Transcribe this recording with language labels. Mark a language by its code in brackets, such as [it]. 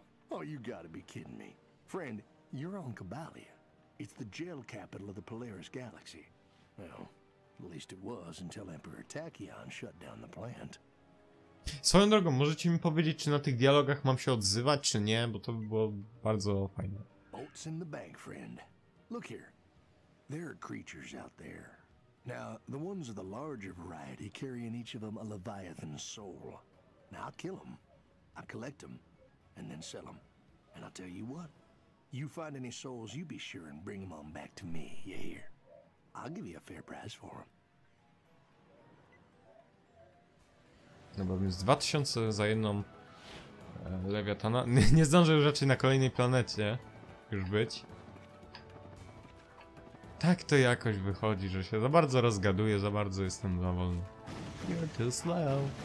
[en] Oh, you gotta be kidding me. Friend, you're on Cabalia. It's the jail capital of the Polaris Galaxy. Well, at least it was until Emperor Tachyon shut down the plant. [pl] Swoją drogą, możecie mi powiedzieć, czy na tych dialogach mam się odzywać, czy nie, bo to by było bardzo fajne. [en] Bolts in the bank, friend. Look here. There are creatures out there. Now, the ones of the larger variety carry in each of them a Leviathan soul. Now, I'll kill them. I'll collect them, and then sell them. And I'll tell you what. You find any souls, you be sure and bring them on back to me, you hear? I'll give you a fair price for them. [pl] No bo jest 2000 za jedną lewiatana. Nie zdążę już raczej na kolejnej planecie już być. Tak to jakoś wychodzi, że się za bardzo rozgaduję, za bardzo jestem za wolny. [en] You're too slow.